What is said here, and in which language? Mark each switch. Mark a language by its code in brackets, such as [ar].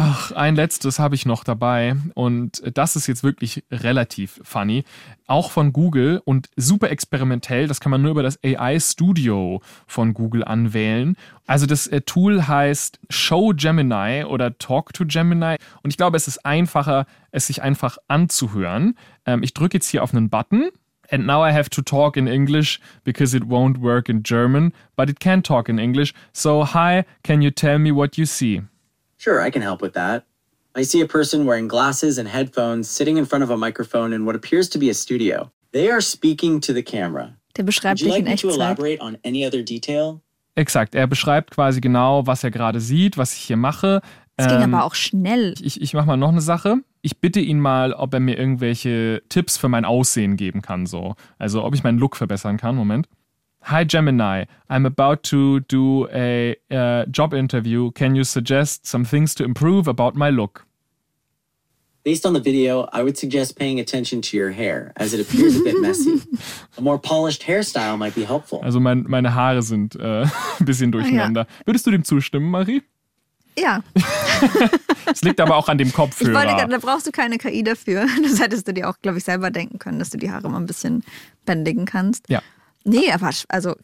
[de] Ach, ein letztes habe ich noch dabei, und das ist jetzt wirklich relativ funny, auch von Google und super experimentell. Das kann man nur über das AI Studio von Google anwählen. Also das Tool heißt Show Gemini oder Talk to Gemini. Und ich glaube, es ist einfacher, es sich einfach anzuhören. Ich drücke jetzt hier auf einen Button. [en] And now I have to talk in English because it won't work in German, but it can talk in English. So hi, can you tell me what you see? Sure, I can help with that. I see a person wearing glasses and headphones sitting in front of a microphone in what appears to be a studio. They are speaking to the camera. [de] Der beschreibt dich in Echtzeit. [en] Would you like me to elaborate on any other detail? [de] Exakt, er beschreibt quasi genau, was er gerade sieht, was ich hier mache. Es ging aber auch schnell. Ich mache mal noch eine Sache. Ich bitte ihn mal, ob er mir irgendwelche Tipps für mein Aussehen geben kann. So. Also ob ich meinen Look verbessern kann. Moment. [en] Hi Gemini, I'm about to do a job interview. Can you suggest some things to improve about my look? Based on the video, I would suggest paying attention to your hair, as it appears a bit messy. A more polished hairstyle might be helpful. [de] Also meine Haare sind ein bisschen durcheinander. Ja. Würdest du dem zustimmen, Marie? Ja. Es liegt aber auch an dem Kopfhörer. Da brauchst du keine KI dafür. Das hättest du dir auch, glaube ich, selber denken können, dass du die Haare mal ein bisschen bändigen kannst. Ja. Nee, aber also krass,